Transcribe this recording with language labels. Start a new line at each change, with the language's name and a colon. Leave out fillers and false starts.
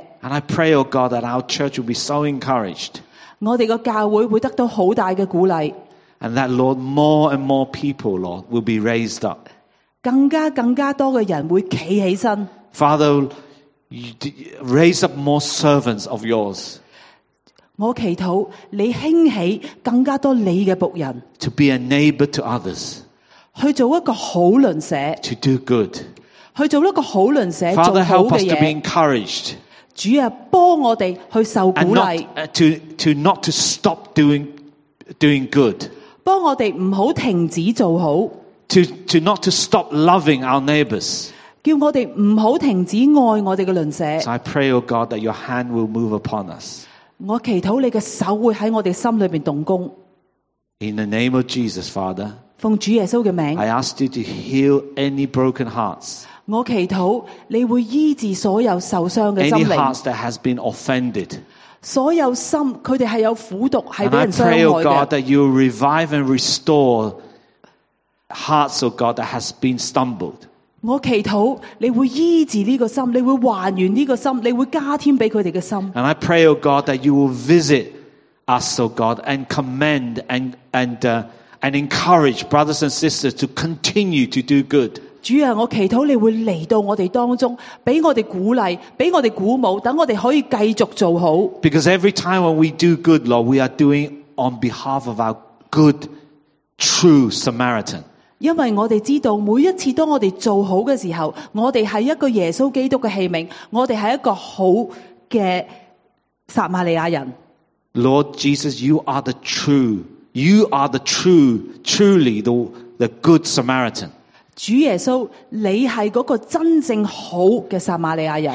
English: and I pray oh God that our church will be so encouraged
Chinese: 我们的教会会得到很大的鼓励
English: and that Lord more and more people Lord will be raised up
Chinese: 更加多的人会站起身
English: Father raise up more servants of yours
Chinese: 我祈祷你兴起更加多你的仆人
English: to be a neighbor to others
Chinese: 去做一个好邻舍
English: to do good
Chinese: 去做一个好邻舍
English: Father help us to be encouraged
Chinese: 主啊帮我们去受鼓励
English: and not to stop doing good
Chinese: 帮我们不要停止做好
English: to not to stop loving our neighbors
Chinese: 叫我们不要停止爱我们的邻舍
English: So I pray oh God that your hand will move upon us
Chinese: 我祈祷你的手会在我们心里面动工
English: In the name of Jesus, Father
Chinese: 奉主耶稣的名
English: I ask you to heal any broken hearts
Chinese: 我祈祷你会医治所有受伤的心灵
English: Any hearts that has been offended
Chinese: 所有心他们是有苦毒是被人伤害的
English: And I pray, oh God, that you revive and restore hearts, oh God, that has been stumbled
Chinese: 我祈祷你会医治这个心你会还原这个心你会加添给他们的心。
English: And I pray, oh God, that you will visit us, oh God, and commend and encourage brothers and sisters to continue to do good.
Chinese: 主啊我祈祷你会来到我们当中给我们鼓励给我们鼓舞等我们可以继续做好。
English: Because every time when we do good, Lord, we are doing on behalf of our good, true Samaritan.
Chinese: 因为我们知道每一次当我们做好的时候我们是一个耶稣基督的器皿我们是一个好的撒玛利亚人
English: Lord Jesus you are the true you are the true truly the good Samaritan
Chinese: 主耶稣你是那个真正好的撒玛利亚人